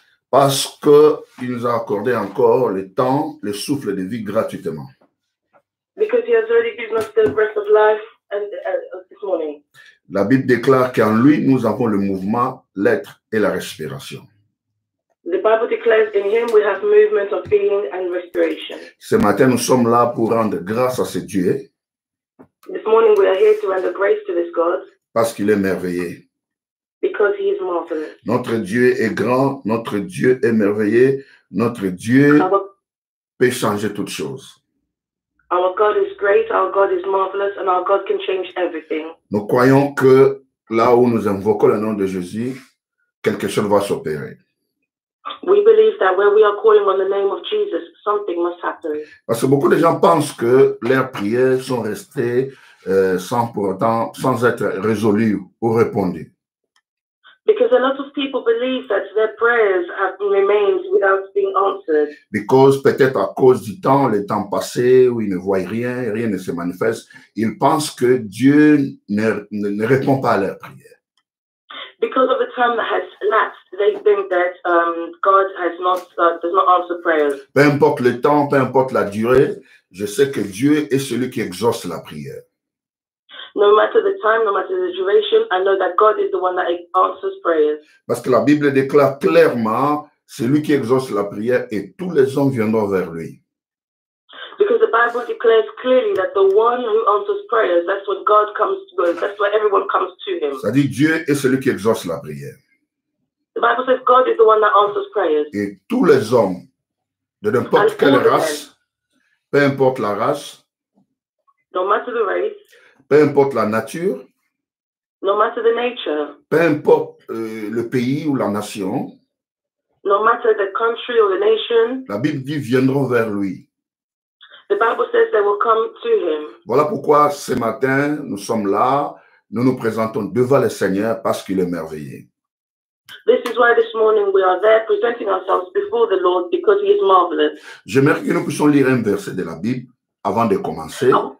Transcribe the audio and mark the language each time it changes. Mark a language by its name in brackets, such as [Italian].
[French] Parce qu'il nous a accordé encore le temps, le souffle de vie gratuitement. [English] Because he has already given us the breath of life and this morning. [French] La Bible déclare qu'en lui, nous avons le mouvement, l'être et la respiration. [English] The Bible declares in him we have movement of being and respiration. [French] Ce matin, nous sommes là pour rendre grâce à ce Dieu. [English] This morning we are here to render grace to this God. [French] Parce qu'il est merveilleux. [English] Because he is marvelous. [French] Notre Dieu est grand, notre Dieu est merveilleux, notre Dieu peut changer toutes choses. [English] Our God is great, our God is marvelous, and our God can change everything. [French] Nous croyons que là où nous invoquons le nom de Jésus, quelque chose va s'opérer. [English] We believe that where we are calling on the name of Jesus, something must happen. [French] Parce que beaucoup de gens pensent que leurs prières sont restées sans être résolues ou répondues. [English] Because a lot of people believe that their prayers have remained without being answered. Because [French] peut-être à cause du temps, le temps passé où ils ne voient rien, rien ne se manifeste, ils pensent que Dieu ne répond pas à leurs prières. [English] Because of the time that has lapsed, they think that God has not does not answer prayers. [French] Peu importe le temps, peu importe la durée, je sais que Dieu est celui qui exauce la prière. [English] No matter the time, no matter the duration, I know that God is the one that answers prayers. [French] Parce que la Bible déclare clairement, celui qui exauce la prière et tous les hommes viendront vers lui. [English] Because the Bible declares clearly that the one who answers prayers, that's what God comes to, that's what everyone comes to him. [French] C'est-à-dire Dieu est celui qui exauce la prière. [English] The Bible says God is the one that answers prayers. [French] Et tous les hommes, de n'importe quelle race, peu importe la race, [English] no matter the race, [French] peu importe la nature, [English] no matter the nature, [French] peu importe le pays ou la nation, [English] no matter the country or the nation, [French] la Bible dit viendront vers lui. [English] The Bible says they will come to him. [French] Voilà pourquoi ce matin nous sommes là, nous nous présentons devant le Seigneur parce qu'il est merveilleux. [English] This is why this morning we are there presenting ourselves before the Lord because he is marvelous. [French] J'aimerais que nous puissions lire un verset de la Bible avant de commencer.